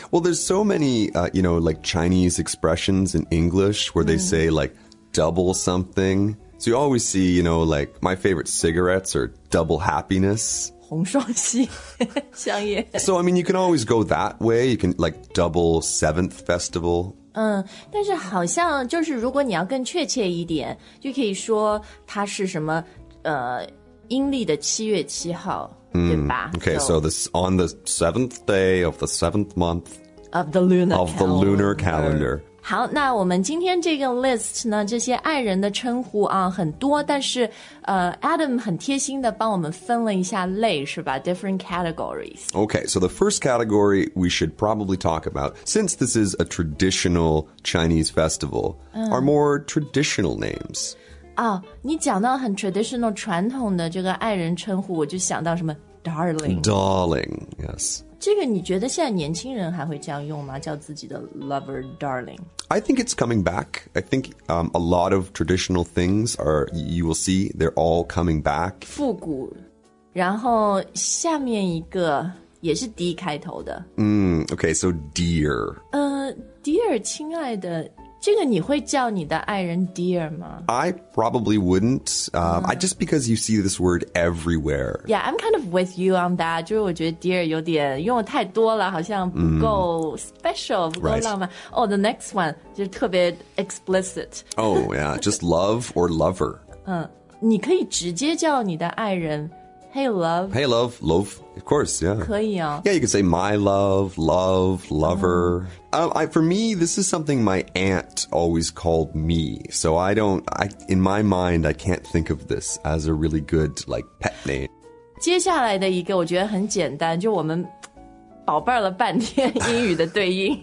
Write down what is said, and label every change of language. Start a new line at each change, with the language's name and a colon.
English: Well, there's so many, like Chinese expressions in English where they say like double something. So you always see, you know, like my favorite cigarettes are double happiness.
Chinese: 红双喜香烟。
English: So, I mean, you can always go that way. You can like double seventh festival.
Chinese: 但是好像就是如果你要更确切一点，就可以说它是什么，阴历的七月七号，对吧？
English: Okay, so this on the seventh day of the seventh month of the lunar calendar. Of the lunar calendar.
Chinese: 好，那我们今天这个 list 呢，这些爱人的称呼啊很多，但是Adam 很贴心的帮我们分了一下类，是吧？
English: Different categories. Okay, so the first category we should probably talk about, since this is a traditional Chinese festival, are more traditional names.
Chinese: 你讲到很 traditional 传统的这个爱人称呼，我就想到什么 darling.
English: Darling, yes.
Chinese: 这个你觉得现在年轻人还会这样用吗？叫自己的 lover darling?
English: I think it's coming back. I think a lot of traditional things are, you will see, they're all coming back.
Chinese: 复古。然后下面一个也是 D 开头的。
English: Okay, so dear.
Chinese: Dear, 亲爱的。这个你会叫你的爱人 dear 吗？
English: I probably wouldn't. Just because you see this word everywhere. Yeah, I'm kind of with you on that.
Chinese: 就是我觉得 dear 有点用的太多了，好像不够 special,不够浪漫。
English: Right. Oh, the next one,
Chinese: 就是特别
English: explicit. Oh, yeah, just love or lover.
Chinese: 你可以直接叫你的爱人
English: hey, love. Hey, love, love, of course, yeah.
Chinese: 可以哦。
English: Yeah, you could say my love, love, lover. For me, this is something my aunt always called me. So in my mind, I can't think of this as a really good, like, pet name.
Chinese: 接下来的一个我觉得很简单，就我们宝贝儿了半天英语的对应。